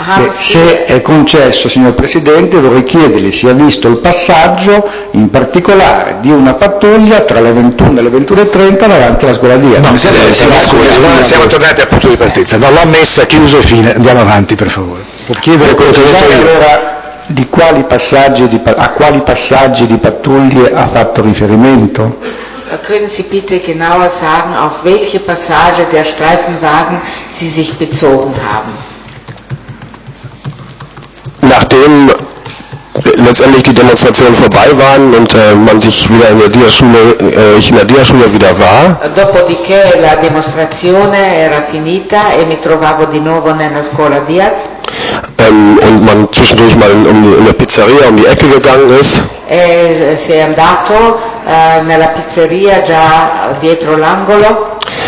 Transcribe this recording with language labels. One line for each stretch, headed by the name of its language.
Italian: Se è concesso, signor Presidente, vorrei chiedergli se ha visto il passaggio in particolare di una pattuglia tra le 21 e le 21:30 davanti alla scuola di siamo tornati al punto di partenza. No, l'ho messa, chiuso e fine. Andiamo avanti, per favore. Può chiedere quello che ho detto io. Allora, a quali passaggi di pattuglie ha fatto riferimento?
German: Können Sie bitte genauer sagen auf welche Passage der Streifenwagen Sie sich bezogen haben? Nachdem letztendlich die Demonstrationen vorbei waren und man sich wieder in der Diaschule, ich in der Diaschule wieder war.
Italian: Dopodiché la demonstrazione era finita e mi trovavo di nuovo nella scuola Diaz.
German: Und man zwischendurch mal in der Pizzeria um die Ecke gegangen ist.
Italian: E si è andato nella pizzeria già dietro l'angolo.